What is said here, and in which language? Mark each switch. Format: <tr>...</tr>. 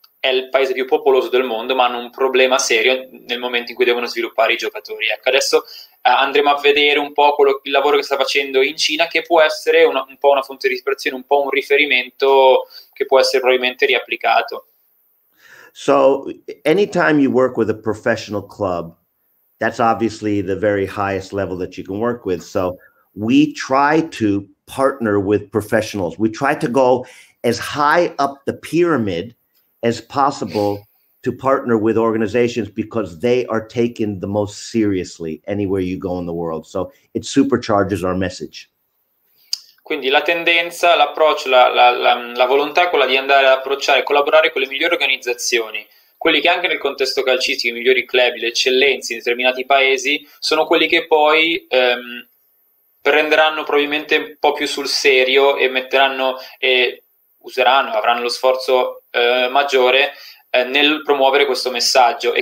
<it>è il paese più popoloso del mondo, ma hanno un problema serio nel momento in cui devono sviluppare i giocatori. Ecco, adesso andremo a vedere un po' quello, il lavoro che sta facendo in Cina, che può essere un po' una fonte di ispirazione, un po' un riferimento che può essere probabilmente riapplicato.</it> <en>So, anytime you work with a professional club, that's obviously the very highest level that you can work with. So we try to partner with professionals. We try to go as high up the pyramid as possible to partner with organizations because they are taken the most seriously anywhere you go in the world. So it supercharges our message.</en> <it>Quindi la tendenza, l'approccio, la volontà è quella di andare ad approcciare e collaborare con le migliori organizzazioni. Quelli che anche nel contesto calcistico, i migliori club, le eccellenze in determinati paesi, sono quelli che poi prenderanno probabilmente un po' più sul serio e metteranno e useranno, avranno lo sforzo maggiore nel promuovere questo messaggio.</it>